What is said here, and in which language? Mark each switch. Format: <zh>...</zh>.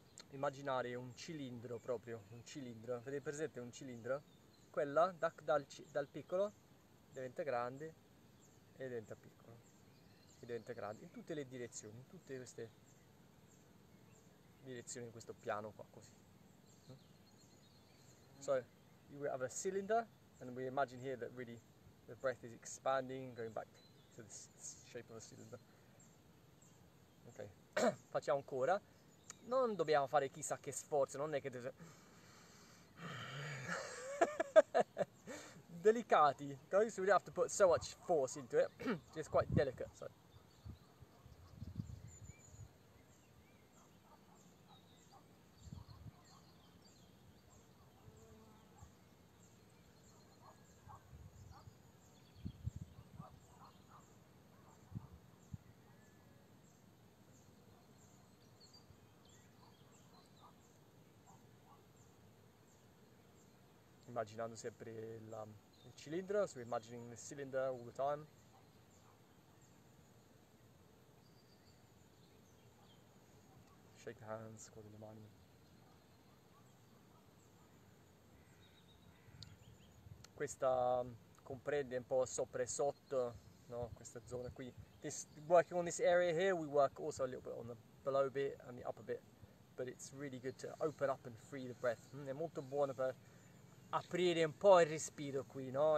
<it>Immaginare un cilindro proprio, un cilindro. Vedete, presente un cilindro? Quella dal piccolo diventa grande e diventa piccolo e diventa grande in tutte le direzioni, in tutte queste direzioni, in questo piano qua, così.</it> <en>So, you have a cylinder and we imagine here that really the breath is expanding, going back to this shape of a cylinder.</en> <it>Ok, facciamo ancora. Non dobbiamo fare chissà che sforzo, non è che deve delicati, okay?</it> <en>So we don't have to put so much force into it. Just quite delicate, so.</en> <it>Immaginando sempre il cilindro,</it> <en>so imagining the cylinder all the time. Shake hands</en> <it>con le mani. Questa comprende un po' sopra e sotto, no? Questa zona qui.</it> <en>Working on this area here, we work also a little bit on the below bit and the upper bit, but it's really good to open up and free the breath.</en> <it>È molto buono per aprire un po' il respiro qui, no?</it>